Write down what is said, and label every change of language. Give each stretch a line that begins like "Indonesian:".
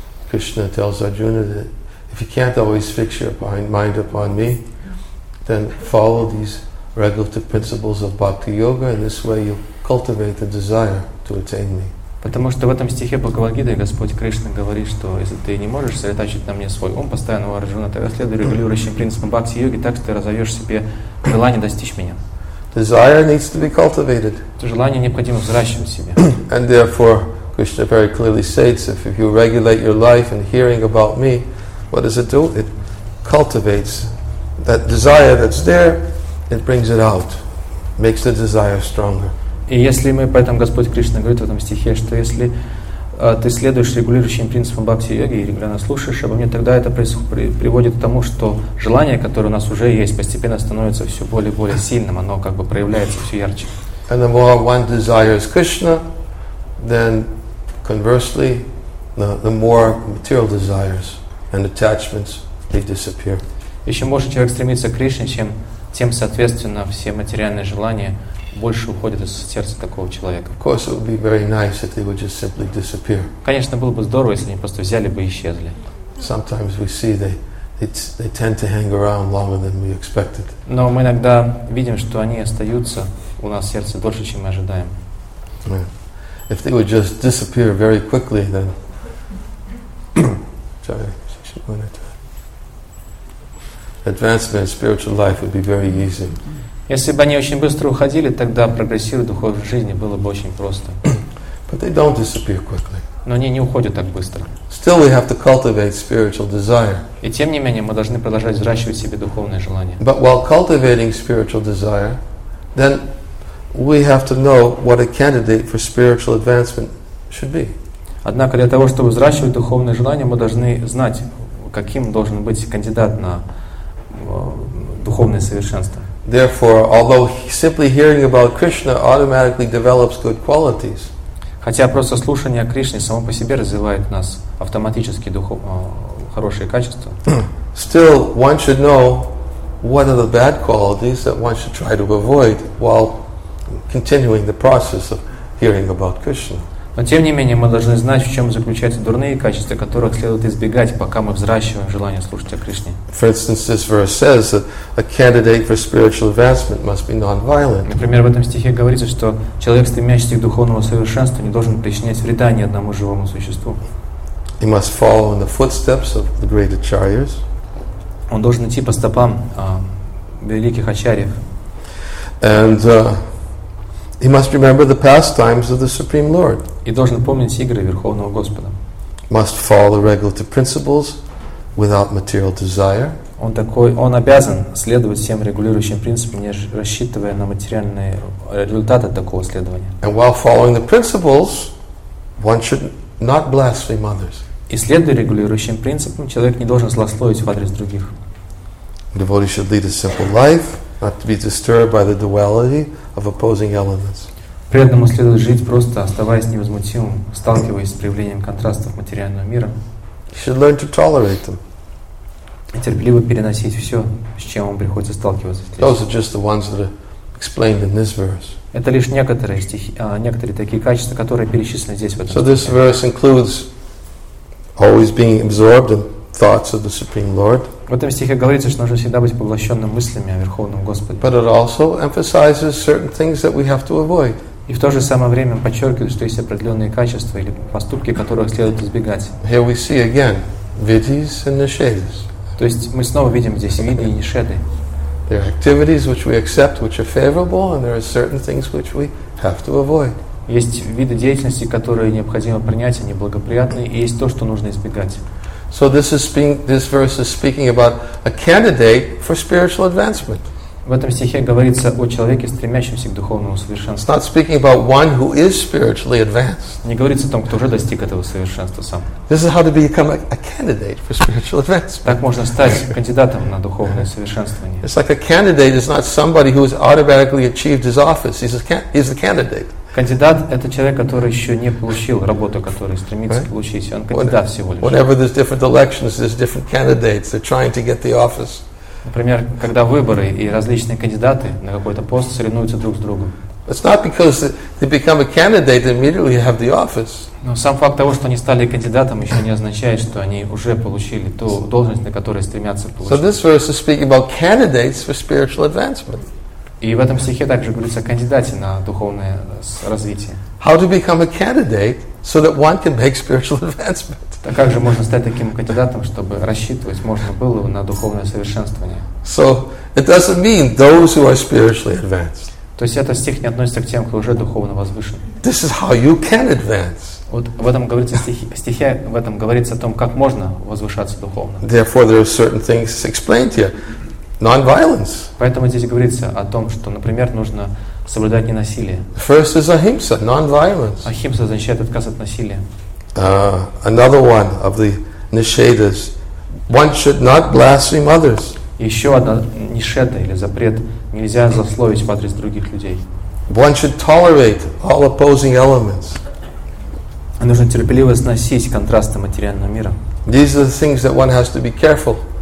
English: Krishna tells Arjuna that if you can't always fix your mind upon me, then follow these regulative principles of bhakti yoga, and this way you cultivate the desire to attain me.
Russian: Потому что в этом стихе Бхагавад Гиты Господь Кришна говорит, что если ты не можешь сосредоточить на мне свой ум постоянно, Арджуна, тогда следуй регулирующим принципам бхакти йоги, так ты разовьешь себе желание достичь меня.
English: Desire needs to be cultivated.
Russian: Желание необходимо взращивать в себе.
English: And therefore, Krishna very clearly states, if you regulate your life and hearing about me, what does it do? It cultivates that desire that's there, it brings it out, makes the desire stronger.
Russian: И если мы, поэтому Господь Кришна говорит в этом стихе, что если ты следуешь регулирующим принципам бхакти-йоги и регулярно слушаешь обо мне, тогда это приводит к тому, что желание, которое у нас уже есть, постепенно становится все более и более сильным, оно как бы проявляется все ярче.
English: And the more one desires Krishna, then conversely, the more material desires and attachments, they disappear.
Russian: Еще больше человек стремится к Кришне, чем тем, соответственно, все материальные желания больше уходят из сердца такого человека.
English: Of course, it would be very nice if they would just simply disappear.
Russian: Конечно, было бы здорово, если они просто взяли бы и исчезли.
English: Sometimes we see they tend to hang around longer than we expected.
Russian: Но мы иногда видим, что они остаются у нас в сердце дольше, чем мы ожидаем.
English: If they would just disappear very quickly, then advancement in spiritual life would be very easy.
Russian: Если бы они очень быстро уходили, тогда прогрессировать духовной жизни было бы очень просто.
English: But they don't disappear quickly.
Russian: Но они не уходят так быстро.
English: Still we have to cultivate spiritual desire.
Russian: И тем не менее мы должны продолжать взращивать в себе духовное желание.
English: But while cultivating spiritual desire, then we have to know what a candidate for spiritual advancement should be.
Russian: Однако для того, чтобы взращивать духовное желание, мы должны знать, каким должен быть кандидат на духовное совершенство.
English: Therefore, although simply hearing about Krishna automatically develops good qualities.
Russian: Хотя просто слушание о Кришне само по себе развивает в нас автоматически хорошие качества.
English: Still, one should know what are the bad qualities that one should try to avoid while continuing the process of hearing about Krishna.
Russian: Но тем не менее мы должны знать, в чем заключаются дурные качества, которых следует избегать, пока мы взращиваем желание слушать о Кришне.
English: For instance, this verse says that a candidate for spiritual advancement must be non-violent.
Russian: Например, в этом стихе говорится, что человек, стремящийся к духовному совершенству, не должен причинять вреда ни одному живому существу.
English: He must follow in the footsteps of the great acharyas.
Russian: Он должен идти по стопам великих ачарьев.
English: And he must remember the pastimes of the Supreme Lord.
Russian: И должен помнить игры Верховного Господа.
English: Must follow the regulative principles without material desire.
Russian: Он обязан следовать всем регулирующим принципам, не рассчитывая на материальные результаты такого следования.
English: And while following the principles, one should not blaspheme others.
Russian: И следуя регулирующим принципам, человек не должен злословить в адрес других.
English: Devotee should lead a simple life, not to be disturbed by the duality of opposing elements.
Russian: Преданному следует жить просто, оставаясь невозмутимым, сталкиваясь с проявлением контрастов материального мира.
English: He should learn to tolerate them.
Russian: И терпеливо переносить все, с чем он приходится сталкиваться.
English: Those are just the ones that are explained in this verse.
Russian: Это лишь некоторые некоторые такие качества, которые перечислены здесь в этом стихе.
English: So this verse includes always being absorbed in thoughts of the Supreme Lord.
Russian: В этом стихе говорится, что нужно всегда быть поглощенным мыслями о Верховном Господе.
English: But it also emphasizes certain things that we have to avoid.
Russian: И в то же самое время подчеркивает, что есть определенные качества или поступки, которых следует избегать.
English: Here we see again vidhis and nishedhas.
Russian: То есть мы снова видим здесь виды и нишеды.
English: There are activities which we accept, which are favorable, and there are certain things which we have to avoid.
Russian: Есть виды деятельности, которые необходимо принять, они благоприятны, и есть то, что нужно избегать.
English: So this verse is speaking about a candidate for spiritual advancement.
Russian: В этом стихе говорится о человеке, стремящемся к духовному совершенству.
English: It's not speaking about one who is spiritually advanced.
Russian: Не говорится о том, кто уже достиг этого совершенства сам.
English: This is how to become a candidate for spiritual advancement.
Russian: Так можно стать кандидатом на духовное совершенствование.
English: It's like a candidate is not somebody who has automatically achieved his office. He's the candidate.
Russian: Кандидат – это человек, который еще не получил работу, которую стремится получить. Он кандидат всего лишь.
English: Whenever there's different elections, there's different candidates. They're trying to get the office.
Russian: Например, когда выборы и различные кандидаты на какой-то пост соревнуются друг с другом.
English: It's not because they become a candidate and immediately have the office.
Russian: Но сам факт того, что они стали кандидатом, еще не означает, что они уже получили ту должность, на которую стремятся получить.
English: So this verse is speaking about candidates for spiritual advancement.
Russian: И в этом стихе также говорится о кандидате на духовное развитие.
English: How to become a candidate so that one can make spiritual advancement?
Russian: Так как же можно стать таким кандидатом, чтобы рассчитывать можно было на духовное совершенствование?
English: So it doesn't mean those who are spiritually advanced.
Russian: То есть этот стих не относится к тем, кто уже духовно возвышен.
English: This is how you can advance.
Russian: Вот в этом говорится стихе в этом говорится о том, как можно возвышаться духовно.
English: Therefore, there are certain things explained here. Non-violence.
Russian: Поэтому здесь говорится о том, что, например, нужно соблюдать ненасилие.
English: First is ahimsa, non-violence.
Russian: Ахимса означает отказ от насилия.
English: Another one of the nishedas. One should not blaspheme others.
Russian: Еще одна нишеда или запрет: нельзя злословить в адрес других людей.
English: One should tolerate all opposing elements.
Russian: Нужно терпеливо сносить контрасты материального мира.
English: These are the things that one has to be careful.